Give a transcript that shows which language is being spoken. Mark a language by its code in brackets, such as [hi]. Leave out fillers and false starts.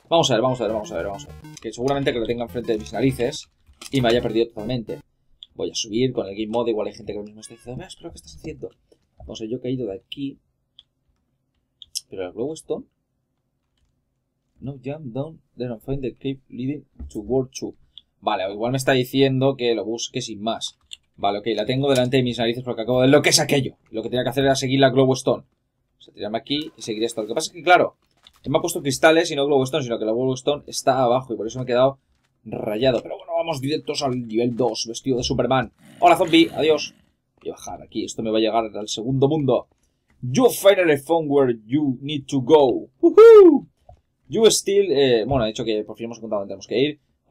[es] Vamos a ver. Que seguramente que lo tenga enfrente de mis narices y me haya perdido totalmente. Voy a subir con el game mode. Igual hay gente que lo mismo está diciendo. ¿Pero qué estás haciendo? Vamos a ver, yo he caído de aquí. Pero el glowstone. [en] No jump down, then I'll find the cave leading to world 2. [es] Vale, o igual me está diciendo que lo busque sin más. Vale, ok, la tengo delante de mis narices porque acabo de... ¡Lo que es aquello! Lo que tenía que hacer era seguir la glowstone. O sea, tirarme aquí y seguir esto. Lo que pasa es que, claro, me ha puesto cristales y no glowstone, sino que la glowstone está abajo y por eso me he quedado rayado. Pero bueno, vamos directos al nivel 2, vestido de Superman. ¡Hola, zombie! ¡Adiós! Voy a bajar aquí, esto me va a llegar al segundo mundo. [en] You finally found where you need to go. ¡Woohoo! You still... [es] ha dicho que por fin hemos contado dónde tenemos que ir.